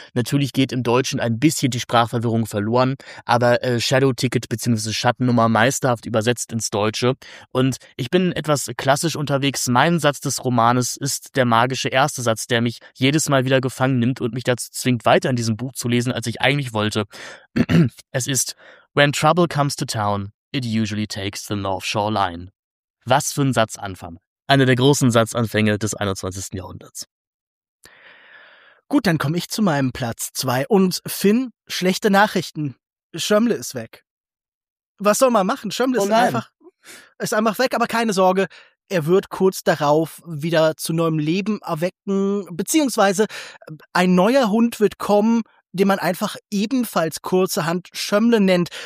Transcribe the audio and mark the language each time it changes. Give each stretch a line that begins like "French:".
German: Natürlich geht im Deutschen ein bisschen die Sprachverwirrung verloren, aber Shadow Ticket bzw. Schattennummer meisterhaft übersetzt ins Deutsche. Und ich bin etwas klassisch unterwegs. Mein Satz des Romanes ist der magische erste Satz, der mich jedes Mal wieder gefangen nimmt und mich dazu zwingt, weiter in diesem Buch zu lesen, als ich eigentlich wollte.
English: Es ist: When trouble comes to town, it usually takes the North Shore Line.
German: Was für ein Satzanfang. Einer der großen Satzanfänge des 21. Jahrhunderts. Gut, dann komme ich zu meinem Platz 2. Und Finn, schlechte Nachrichten. Schömmle ist weg. Was soll man machen? Schömmle ist einfach weg, aber keine Sorge. Er wird kurz darauf wieder zu neuem Leben erwecken, beziehungsweise ein neuer Hund wird kommen, den man einfach ebenfalls kurzerhand Schömmle nennt.